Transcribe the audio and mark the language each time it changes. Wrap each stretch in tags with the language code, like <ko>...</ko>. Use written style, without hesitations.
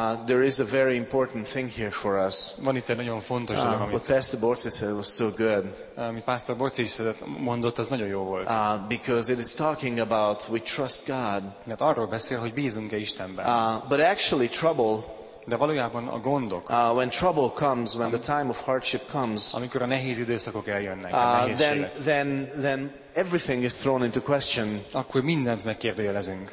<en>there is a very important thing here for us.</en> <hu>Van itt egy nagyon fontos dolog, amit</hu> <en>Pastor Borci said, was so good.</en> <hu>Amit Pastor Borci is mondott, az nagyon jó volt.</hu> <en>Because it is talking about we trust God.</en> <hu>Mert arról beszél, hogy bízunk-e Istenben.</hu> <en>But actually trouble,</en> <hu>de valójában a gondok,</hu> <en>when trouble comes, when the time of hardship comes,</en> <hu>amikor a nehéz időszakok eljönnek,</hu> <en>then everything is thrown into question,</en> <hu>akkor mindent megkérdőjelezünk,</hu>